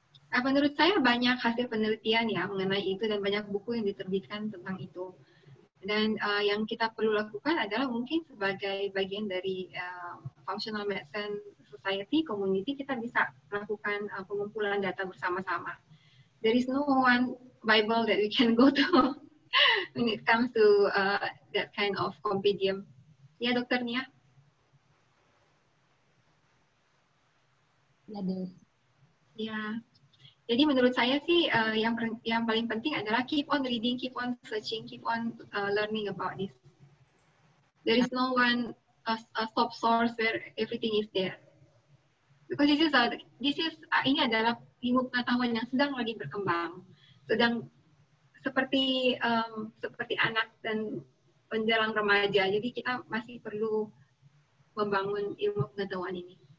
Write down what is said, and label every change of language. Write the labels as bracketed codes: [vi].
[id] Nah, menurut saya banyak hasil penelitian ya mengenai itu dan banyak buku yang diterbitkan tentang itu. Dan yang kita perlu lakukan adalah mungkin sebagai bagian dari Functional Medicine Society, community, kita bisa melakukan pengumpulan data bersama-sama. [en] There is no one Bible that we can go to when it comes to that kind of compendium. [id] Ya, Dokter Nia? Ya, Dok. Ya. Jadi menurut saya sih yang paling penting adalah keep on reading, keep on searching, keep on learning about this. [en] There is no one a stop source where everything is there. [id] Because ini adalah ilmu pengetahuan yang sedang lagi berkembang. Sedang seperti anak dan menjelang remaja. Jadi kita masih perlu membangun ilmu pengetahuan ini.